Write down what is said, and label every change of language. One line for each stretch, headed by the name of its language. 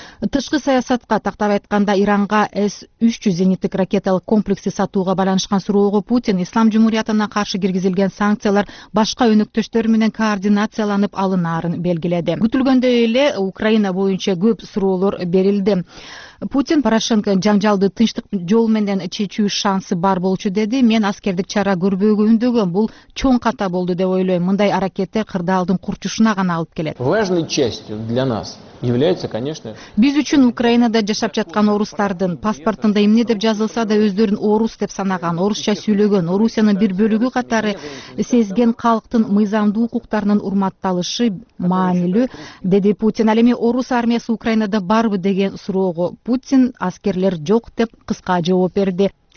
Kyrgyz: Тышкы саясатка тактап айтканда, Иранга S-300 зениттик ракеталык комплекси сатууга байланышкан суроого Путин ислам жумуриятына каршы киргизилген санкциялар башка өнөктөштөр менен координацияланып алынаарын белгиледи. Күтүлгөндөй эле Украина боюнча көп суроолор берилди. Путин Порошенко жаңжалды тынчтык жол менен чечүү шансы бар болчу, деди. Мен аскердик чара көрбөөгө үндөгөм, бул чоң ката болду деп ойлойм. Мындай аракети кырдаалдын курчушуна гана алып келет.
Russian: Важной частью для нас является, конечно,
Kyrgyz: биз үчүн Украинада жашап жаткан орустардын паспортунда эмне деп жазылса да өздөрүн орус деп санаган, орусча сүйлөгөн, Орусиянын бир бөлүгү катары сезген калктын мыйзамдуу укуктарынын урматталышы маанилүү, деди Путин. Ал эми орус армиясы Украинада барбы деген суроого Путин аскерлер жок деп кыска жооп берди.